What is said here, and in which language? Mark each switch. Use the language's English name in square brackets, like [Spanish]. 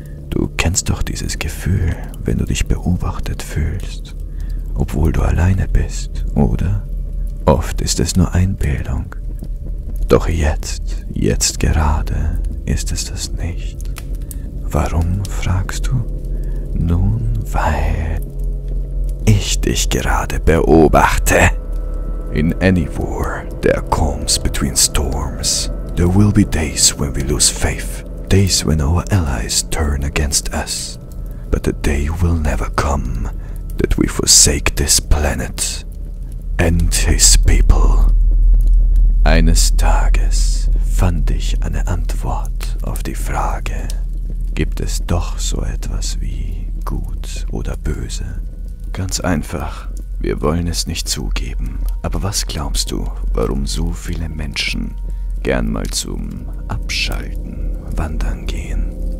[German] Du kennst doch dieses Gefühl, wenn du dich beobachtet fühlst, obwohl du alleine bist, oder? Oft ist es nur Einbildung. Doch jetzt gerade ist es das nicht. Warum, fragst du? Nun, weil ich dich gerade beobachte. [English] In any war, there comes between storms. There will be days when we lose faith. Days when our allies turn against us. But the day will never come that we forsake this planet. And his people. [German] Eines Tages fand ich eine Antwort auf die Frage, gibt es doch so etwas wie gut oder böse? Ganz einfach, wir wollen es nicht zugeben. Aber was glaubst du, warum so viele Menschen gern mal zum Abschalten wandern gehen?